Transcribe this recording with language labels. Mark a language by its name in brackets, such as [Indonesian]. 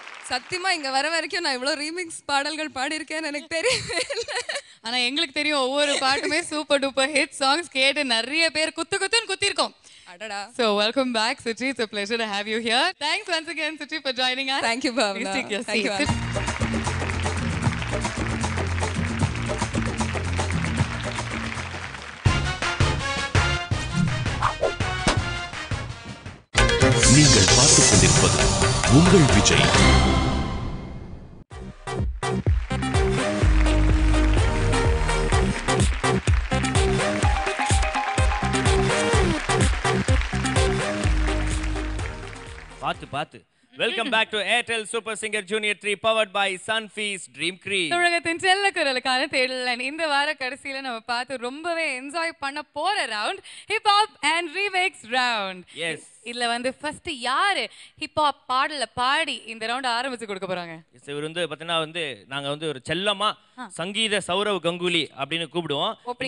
[Tamil] சத்தியமா இங்க வர வரைக்கும் நான் இவ்வளவு ரீமிக்ஸ் பாடல்கள் பாடியிருக்கேன்னு எனக்கு தெரியல. ஆனா எங்களுக்கு தெரியும், ஒவ்வொரு பாட்டுமே சூப்பர் டூப்பர் ஹிட் சாங்ஸ் கேட்டு நிறைய பேர் குத்து குத்துன்னு குத்திருக்கோம். [English] So welcome back, Suchi. It's a pleasure to have you here. Thanks once again, Suchi, for joining us. Thank you, Bhavna. Please take your seat. [Tamil] நீங்கள் பார்த்துக் கொண்டிருப்பது உங்கள் விஜய். பாத்து பாத்து. [English] Welcome back to Airtel Super Singer Junior 3 powered by Sunfeast Dream Cream. [Tamil] தமிழகத்தின் செல்ல குரலுக்கான தேடல. இந்த வார கடைசியில நம்ம பார்த்து ரொம்பவே என்ஜாய் பண்ண போற round hip hop and remakes round. [English] yes, [Tamil] இதுல வந்து ஃபர்ஸ்ட் யாரு ஹிப் ஹாப் பாடல பாடி இந்த ரவுண்ட் ஆரம்பிச்சு கொடுக்க போறாங்க? இவர் வந்து பாத்தீங்கன்னா வந்து நாங்க வந்து ஒரு செல்லமா சங்கீத சௌரவ் கங்குலி அப்படின்னு கூப்பிடுவோம்.